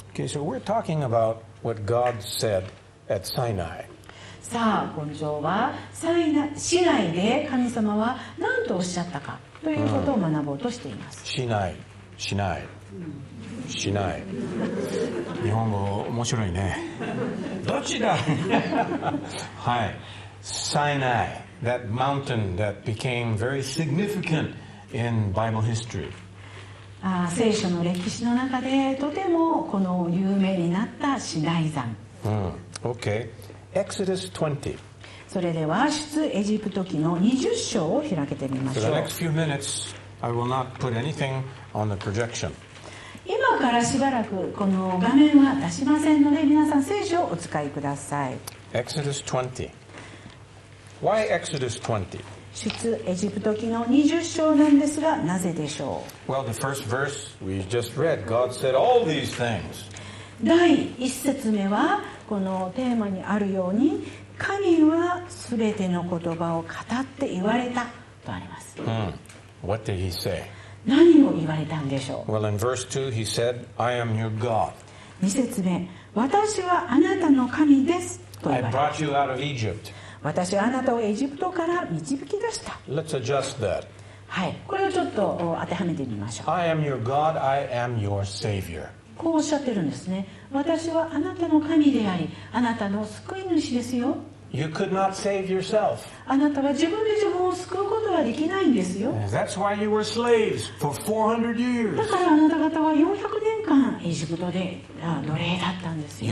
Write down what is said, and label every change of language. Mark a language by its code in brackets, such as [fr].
[en] Okay, so we're talking about what God said at Sinai. [ja] さあ、今週は市内で神様は何とおっしゃったかということを学ぼうとしています。市内、市内、市内。日本語面白いね。どっちだ。 [en] はい、Sinai, that mountain that became very significant in Bible history. [ja] 聖書の歴史の中でとてもこの有名になったシナイ山。 [en] Okay. Exodus 20. [ja] それでは出エジプト記の20章を開けてみましょう。 [en] For the next few minutes, I will not put anything on the projection. [ja] 今からしばらくこの画面は出しませんので皆さん聖書をお使いください。 [en] Exodus 20. Why Exodus 20? [ja] 出エジプト記の20章なんですが、なぜでしょう。 [en] Well, the first verse we just read, God said all these things. [ja] 第一節目はこのテーマにあるように神は全ての言葉を語って言われたとあります。 [en] What did he say? [ja] 何を言われたんでしょう。 [en] Well, in verse 2 he said, I am your God. [ja] 二節目、私はあなたの神ですと言われた。 [en] I brought you out of Egypt. [ja] 私はあなたをエジプトから導き出した。 [en] Let's adjust that. [ja] はい、これをちょっと当てはめてみましょう。 [en] I am your God, I am your Savior. [ja] こうおっしゃってるんですね。私はあなたの神であり、あなたの救い主ですよ。 [en] You could not save yourself. [ja] あなたは自分で自分を救うことはできないんですよ。 [en] That's why you were slaves for 400 years. [ja] だからあなた方は400年間エジプトで奴隷だったんですよ。